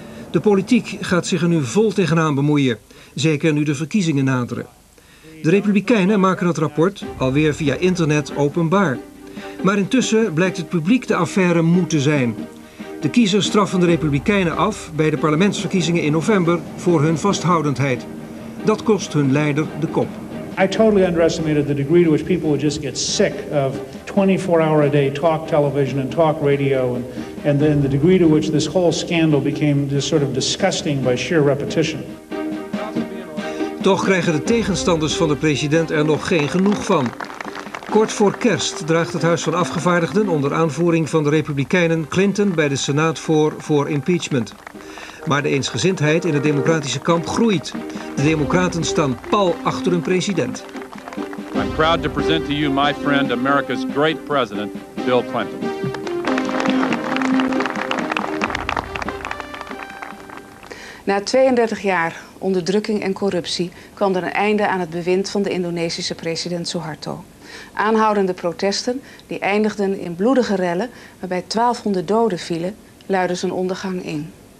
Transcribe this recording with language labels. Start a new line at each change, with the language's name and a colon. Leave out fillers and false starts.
Dutch: De politiek gaat zich er nu vol tegenaan bemoeien, zeker nu de verkiezingen naderen. De Republikeinen maken het rapport alweer via internet openbaar. Maar intussen blijkt het publiek de affaire moeten zijn. De kiezers straffen de Republikeinen af bij de parlementsverkiezingen in november voor hun vasthoudendheid. Dat kost hun leider de kop.
English: I totally underestimated the degree to which people would just get sick of 24-hour-a-day talk television and talk radio, and then the degree to which this whole scandal became just sort of disgusting by sheer repetition.
Dutch: Toch krijgen de tegenstanders van de president er nog geen genoeg van. Kort voor kerst draagt het Huis van Afgevaardigden onder aanvoering van de Republikeinen Clinton bij de Senaat voor impeachment. Maar de eensgezindheid in het democratische kamp groeit. De Democraten staan pal achter hun president.
English: I'm proud to present to you my friend, America's great president, Bill Clinton.
Dutch: Na 32 jaar onderdrukking en corruptie kwam er een einde aan het bewind van de Indonesische president Suharto. Aanhoudende protesten, die eindigden in bloedige rellen waarbij 1200 doden vielen, luidden zijn ondergang in.